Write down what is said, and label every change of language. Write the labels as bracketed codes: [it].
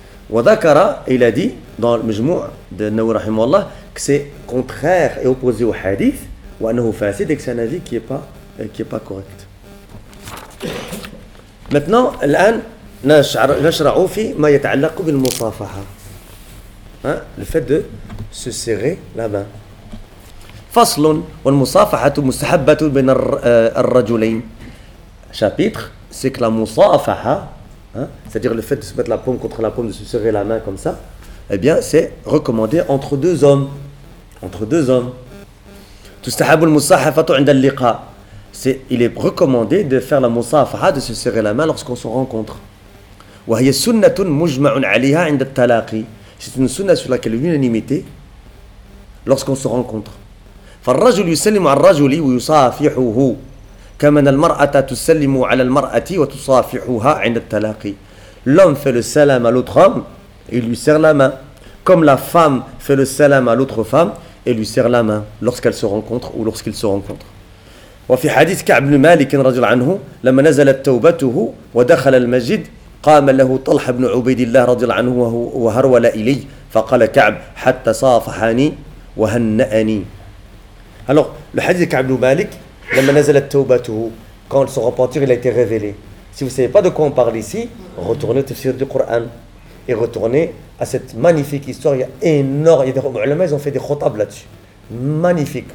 [fr] وذكر الى دي dans le مجموع de Nawawi rahimahullah que c'est contraire et opposé au hadith ou [ar] انه فاسد [fr] et que c'est un avis qui est pas correct. Maintenant [ar] الان نشرع في ما يتعلق بالمصافحه, [fr] hein, le fait de se serrer la main. [ar] فصل والمصافحه مستحبه بين الرجلين. [fr] Chapitre, c'est que la [ar] مصافحه [fr] hein, c'est-à-dire le fait de se mettre la paume contre la paume, de se serrer la main comme ça, eh bien, c'est recommandé entre deux hommes. Entre deux hommes. [ar] Tustahabul musahafatu 'inda al-liqa. [fr] C'est, il est recommandé de faire la musafaha, de se serrer la main lorsqu'on se rencontre. [ar] Wa hiya sunnatun mujma'un 'alayha 'inda at-talaqi. [fr] C'est une sunna sur laquelle l'unanimité lorsqu'on se rencontre. [ar] فالرجل يسلم على الرجل ويصافحه كما ان المراه تسلم على المراه وتصافحها عند التلاقي. [fr] L'homme fait le salam à l'autre homme et lui serre la main, comme la femme fait le salam à l'autre femme et lui serre la main lorsqu'elle se rencontre ou lorsqu'il se rencontre. [ar] وفي حديث كعب بن مالك رضي الله عنه لما نزلت توبته ودخل المسجد قام له طلحه بن عبيد الله رضي الله عنه وهرول الي فقال كعب حتى صافحني وهنأني. [fr] Alors, le hadith de Ka'b ibn Malik, [ar] la manazala tawbatuhu, [fr] quand son repentir il a été révélé. Si vous ne savez pas de quoi on parle ici, retournez au tafsir du Coran. Et retournez à cette magnifique histoire. Il y a énorme. Il y a des ulama, ils ont fait des khotab là-dessus. Magnifique.